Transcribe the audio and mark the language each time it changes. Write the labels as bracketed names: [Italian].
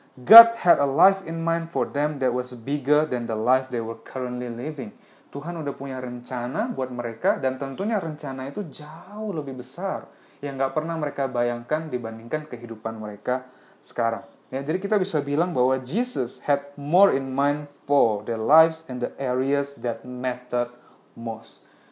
[English] God had a life in mind for them that was bigger than the life they were currently living. [Indonesian] Tuhan udah punya rencana buat mereka, dan tentunya rencana itu jauh lebih besar yang gak pernah mereka bayangkan dibandingkan kehidupan mereka sekarang. Ya, jadi kita bisa bilang bahwa [English] Jesus had more in mind for their lives and the areas that mattered most.